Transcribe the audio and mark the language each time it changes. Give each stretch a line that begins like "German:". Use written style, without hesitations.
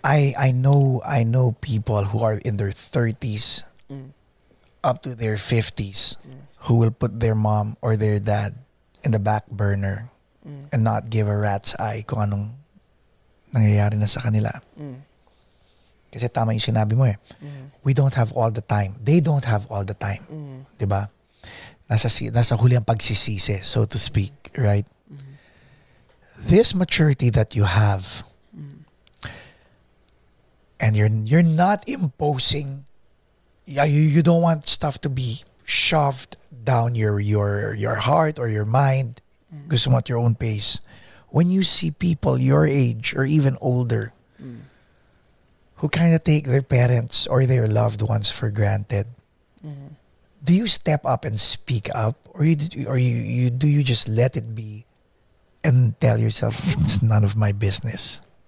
English: I know people who are in their 30s up to their 50s who will put their mom or their dad in the back burner and not give a rat's eye
Filipino: kung anong nangyayari na sa kanila. Kasi tama yung sinabi mo eh.
English: We don't have all the time. They don't have all the time.
Filipino: Diba? Nasa huli ang pagsisisi,
English: so to speak. Right? Mm-hmm. This maturity that you have, and you're not imposing, you don't want stuff to be shoved down your heart or your mind. Mm-hmm.
Filipino: Gusto mo
English: at your own pace. When you see people your age or even older, who kind of take their parents or their loved ones for granted, do you step up and speak up, or do you just let it be and tell yourself it's none of my business?